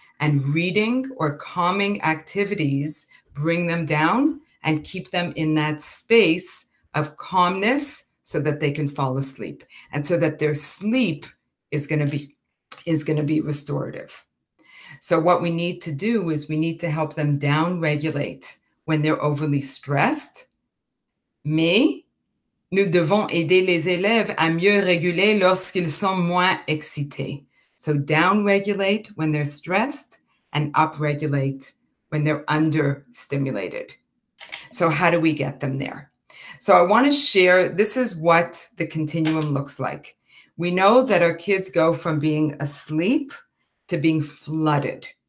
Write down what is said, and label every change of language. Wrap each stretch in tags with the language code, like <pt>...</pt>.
<en>And reading or calming activities bring them down and keep them in that space of calmness so that they can fall asleep and so that their sleep is going to be restorative. So what we need to do is we need to help them downregulate when they're overly stressed.</en> <fr>Mais nous devons aider les élèves à mieux réguler lorsqu'ils sont moins excités.</fr> <en>So downregulate when they're stressed and upregulate when they're understimulated. So how do we get them there? So I want to share, this is what the continuum looks like. We know that our kids go from being asleep to being flooded.</en>